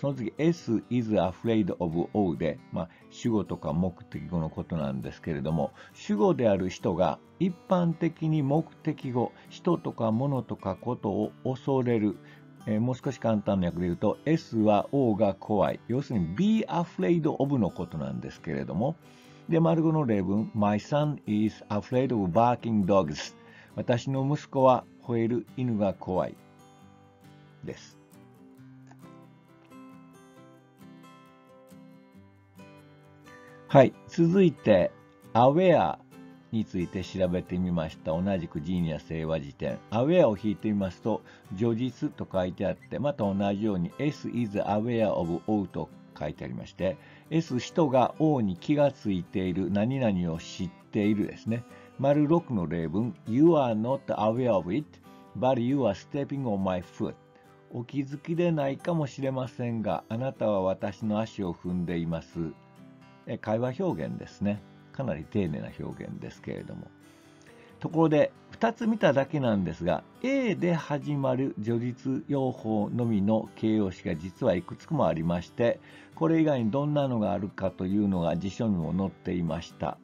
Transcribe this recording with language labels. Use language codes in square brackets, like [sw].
[ja] その次、 [en] S is afraid of O [ja] で、主語とか目的語のことなんですけれども、主語である人が一般的に目的語、人とか物とかことを恐れる、もう少し簡単な訳で言うと、S は O が怖い。要するに、Be afraid of のことなんですけれども。で、丸語の例文、 [en] My son is afraid of barking dogs. [ja] 私の息子は吠える犬が怖い。です。はい、続いて、aware について調べてみました。同じくジーニアス英和辞典。aware を引いてみますと、叙述と書いてあって、また同じように、 [en] S is aware of O [ja] と書いてありまして、S、人が O に気がついている、何々を知っているですね。 6の例文、 [en] You are not aware of it, but you are stepping on my foot. [ja] お気づきでないかもしれませんが、あなたは私の足を踏んでいます。会話表現ですね。かなり丁寧な表現ですけれども。ところで、2つ見ただけなんですが、A で始まる叙述用法のみの形容詞が実はいくつもありまして、これ以外にどんなのがあるかというのが辞書にも載っていました。